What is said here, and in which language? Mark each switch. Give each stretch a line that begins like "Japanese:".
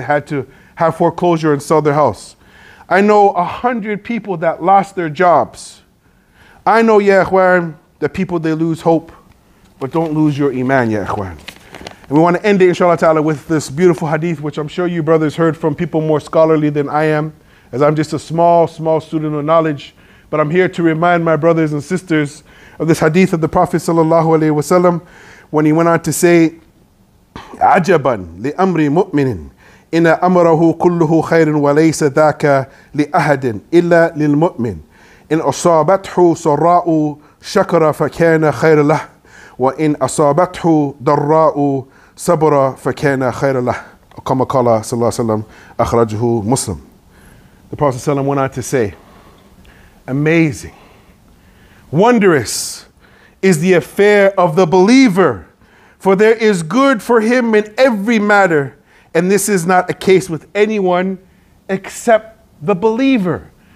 English: They had to have foreclosure and sell their house. I know 100 people that lost their jobs. I know, Ya Ikhwan, that people, they lose hope, but don't lose your iman, Ya Ikhwan. And we want to end it, inshallah ta'ala, with this beautiful hadith, which I'm sure you brothers heard from people more scholarly than I am, as I'm just a small, small student of knowledge. But I'm here to remind my brothers and sisters of this hadith of the Prophet sallallahu alayhi wa sallam, when he went on to say,
Arabic: عَجَبًا لِأَمْرِ مُؤْمِنٍ إِنَّ أَمْرَهُ كُلُّهُ خَيْرٍ وَلَيْسَ ذَاكَ لِأَهَدٍ إِلَّا لِلْمُؤْمِنِ إِنْ أَصَابَتْهُ سَرَّاءُ شَكَرَ فَكَانَ خَيْرًا لَهُ وَإِنْ أَصَابَتْهُ ضَرَّاءُ صَبْرًا فَكَانَ خَيْرًا لَهُ كَمَا قَالَ صلى الله عليه وسلم أَخْرَجُهُ مسلم.
English: The Prophet ﷺ went on to say, amazing, wondrous is the affair of the believer, for there is good for him in every matter, and this is not a case with anyone except the believer.